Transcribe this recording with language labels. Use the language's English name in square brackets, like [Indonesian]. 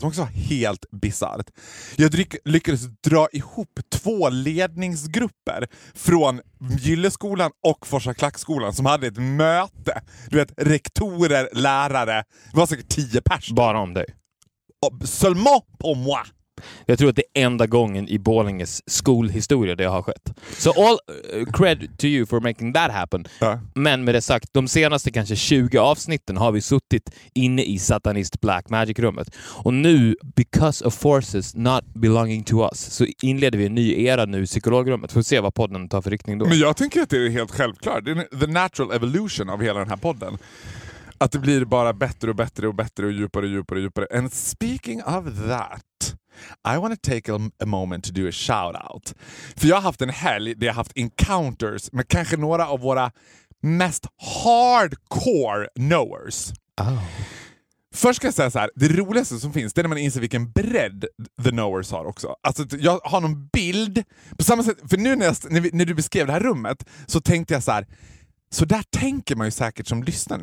[Swedish] Det också var helt bizarrt. Jag lyckades dra ihop två ledningsgrupper från Gylleskolan och Forsa Klackskolan som hade ett möte. Du vet, rektorer, lärare. Det var säkert 10 pers. Bara om dig. [French] Seulement pour moi. [Swedish] Jag tror att det är enda gången i Borlänges skolhistoria det har skett. [English] Så all cred to you for making that happen. [Swedish] Ja. Men med det sagt, de senaste kanske 20 avsnitten har vi suttit inne i satanist Black Magic-rummet. Och nu, [English] because of forces not belonging to us, [Swedish] så inleder vi en ny era nu i psykologrummet. Får se vad podden tar för riktning då. Men jag tänker att det är helt självklart. Det är [English] the natural evolution [Swedish] av hela den här podden. Att det blir bara bättre och bättre och bättre och djupare och djupare och djupare. [English] And speaking of that, I want to take a moment to do a shout out. [Swedish] För jag har haft en helg där jag har haft encounters med kanske några av våra mest hardcore knowers. Oh. Först ska jag säga så här, det roligaste som finns, det är när man inser vilken bredd the knowers har också. Alltså jag har någon bild på samma sätt, för nu när du beskrev det här rummet så tänkte jag så här, så där tänker man ju säkert som lyssnare.